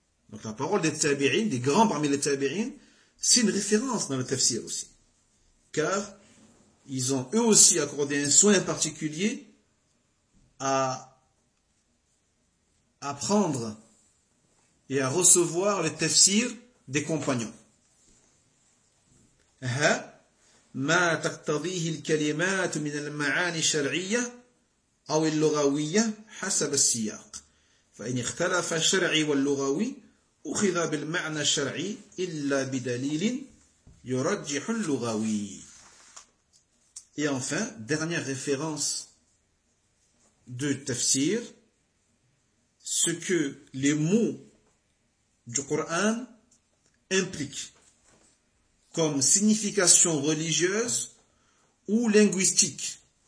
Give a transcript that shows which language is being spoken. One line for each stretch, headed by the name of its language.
French: Donc la parole des tabi'in, des grands parmi les tabi'in, c'est une référence dans le tafsir aussi. Car ils ont eux aussi accordé un soin particulier à apprendre et à recevoir le tafsir des compagnons.
Arabic: Ha, ma taqtadihi al-kalimat min al-ma'ani shar'iyya أو اللغوية حسب السياق فإن اختلف الشرعي واللغوي أخذ بالمعنى الشرعي إلا بدليل يرجح اللغوي.
French: Et enfin, dernière référence de tafsir, ce que les mots du Coran impliquent comme signification religieuse ou linguistique.